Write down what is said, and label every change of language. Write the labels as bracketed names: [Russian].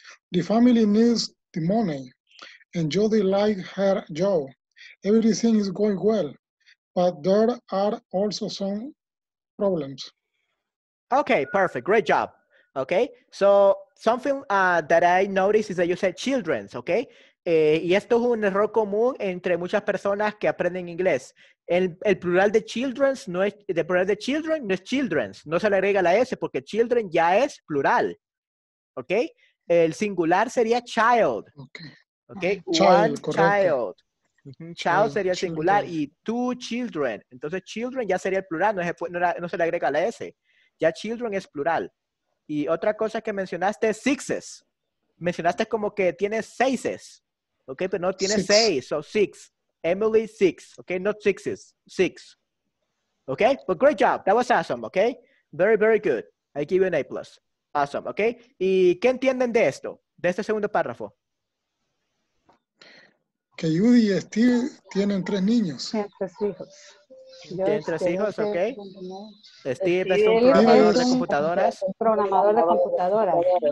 [English] The family needs the money, and Judy likes her job. Everything is going well, but there are also some problems. Okay, perfect. Great job. Okay, so something that I noticed is that you said children, okay? [Spanish] Y esto es un error común entre muchas personas que aprenden inglés. El plural de children no es, el plural de children no es children. No se le agrega la S porque children ya es plural. Okay? El singular sería child. [English] Okay. Child, one child. [Spanish] Correcto. Child sería el singular y [English] two children. [Spanish] Entonces, children ya sería el plural, no se le agrega la S. Ya children es plural. Y otra cosa que mencionaste es sixes. mencionaste como que tienes seises, ok, pero no tienes seis, [English] so six. Emily, six, ok, not sixes, six. Ok, but great job, that was awesome, ok. Very, very good. I give you an A plus. Awesome, ok. [Spanish] ¿Y qué entienden de esto, de este segundo párrafo? Que Judy y Steve tienen tres niños. Tienen tres hijos. Tienen tres hijos, ok. Steve es un programador de computadoras.